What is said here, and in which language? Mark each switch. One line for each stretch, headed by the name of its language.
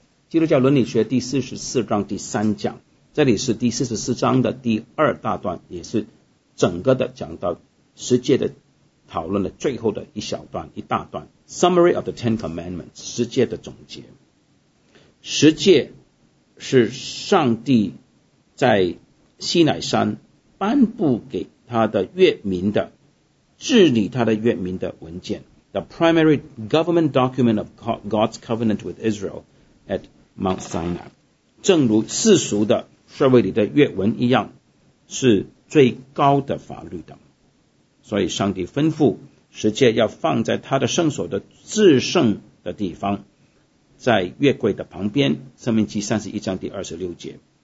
Chinese: 基督教伦理学第44章第三讲，这里是第44章的第二大段，也是整个的讲到十诫的讨论的最后的一小段，一大段。
English: Summary of the Ten Commandments,
Chinese: 十诫的总结。十诫是上帝在西乃山颁布给他的约民的，治理他的约民的文件。
English: The primary government document of God's covenant with Israel at Mount Sinai.
Chinese: 正如世俗的社会里的约文一样，是最高的法律的。所以上帝吩咐十诫要放在他的圣所的至圣的地方，在约柜的旁边，生命记31章第26节。